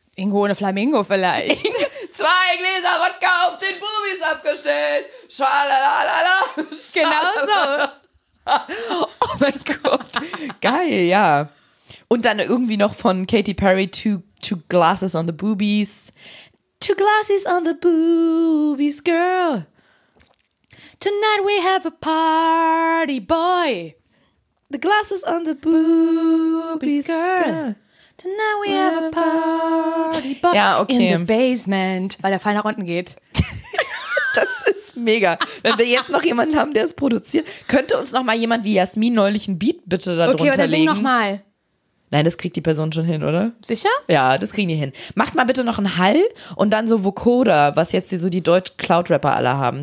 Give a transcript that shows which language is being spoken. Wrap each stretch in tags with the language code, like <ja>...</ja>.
<de>Ingo ohne Flamingo vielleicht. 2 Gläser Wodka auf den Boobies abgestellt. Schalalalala. Genau so. Oh mein Gott. Geil, ja. Und dann irgendwie noch von Katy Perry,</de> <en>2 Glasses on the Boobies. 2 glasses on the boobies, girl. Tonight we have a party, boy. The glasses on the boobies, girl. Tonight we have a party, boy. Ja, okay. In the basement.</en> <de>Weil der Fall nach unten geht. Das ist mega. Wenn wir jetzt noch jemanden haben, der es produziert, könnte uns noch mal jemand wie Jasmin neulich ein Beat bitte da drunter legen? Okay, dann sing noch mal. Nein, das kriegt die Person schon hin, oder? Sicher? Ja, das kriegen die hin. Macht mal bitte noch einen Hall und dann so Vocoder, was jetzt so die Deutsch-Cloud-Rapper alle haben.</de>